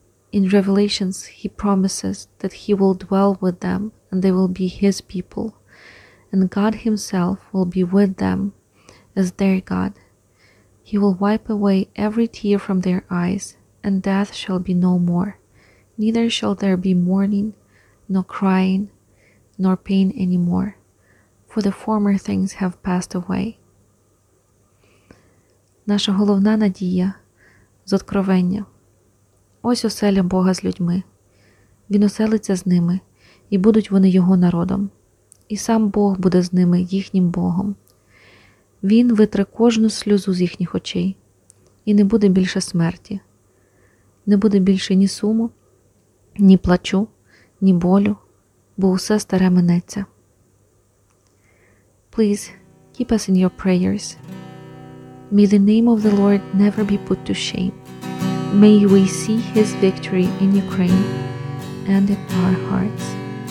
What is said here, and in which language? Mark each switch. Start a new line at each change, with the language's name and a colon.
English: In Revelations, He promises that He will dwell with them and they will be His people, and God Himself will be with them as their God. He will wipe away every tear from their eyes, and death shall be no more. Neither shall there be mourning, nor crying, nor pain anymore. For the former things have passed away.
Ukrainian: Наша головна надія – з Откровення. Ось оселя Бога з людьми. Він оселиться з ними, і будуть вони Його народом. І сам Бог буде з ними, їхнім Богом. Він витре кожну сльозу з їхніх очей, і не буде більше смерті. Не буде більше ні суму, ні плачу, ні болю, бо усе старе минеться.
English: Please keep us in your prayers. May the name of the Lord never be put to shame. May we see His victory in Ukraine and in our hearts.